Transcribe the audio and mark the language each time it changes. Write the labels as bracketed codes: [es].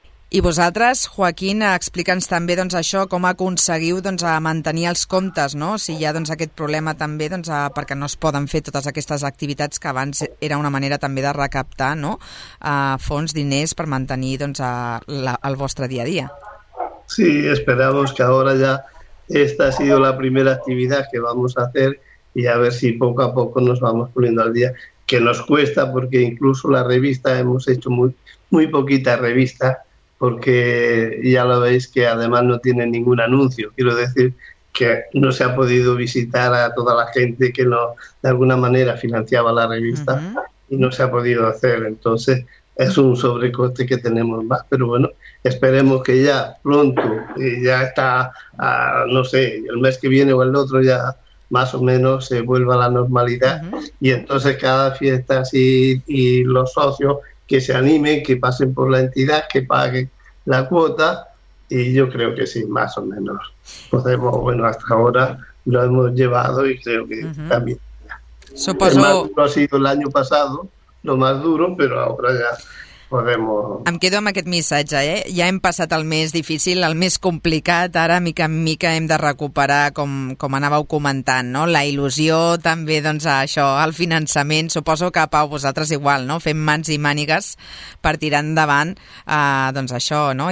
[ca] I vosaltres, Joaquín, explica'ns també, doncs, això, com aconseguiu, doncs, a mantenir els comptes, no? Si hi ha, doncs, aquest problema també, doncs, perquè no es poden fer totes aquestes activitats que abans era una manera també de recaptar, no?, fons, diners, per mantenir, doncs, el vostre dia a dia. [es] Sí, esperamos que ahora ya esta ha sido la primera actividad que vamos a hacer y a ver si poco a poco nos vamos poniendo al día, que nos cuesta porque incluso la revista, hemos hecho muy, muy poquita revista, porque ya lo veis que además no tiene ningún anuncio. Quiero decir que no se ha podido visitar a toda la gente que no, de alguna manera financiaba la revista y no se ha podido hacer. Entonces es un sobrecoste que tenemos más. Pero bueno, esperemos que ya pronto, ya está, no sé, el mes que viene o el otro, ya más o menos se vuelva a la normalidad. Y entonces cada fiesta así y los socios que se animen, que pasen por la entidad, que paguen la cuota, y yo creo que sí, más o menos. Podemos, bueno, hasta ahora lo hemos llevado y creo que también. [ca] Suposo... [es] El más duro ha sido el año pasado, lo más duro, pero ahora ya [ca] Podem... Em quedo amb aquest missatge, eh? Ja hem passat el més difícil, el més complicat, ara mica en mica hem de recuperar, com anàveu comentant, no? La il·lusió, també doncs, això, el finançament, suposo que Pau, vosaltres igual, no? Fem mans i mànigues per tirar endavant doncs, això, no?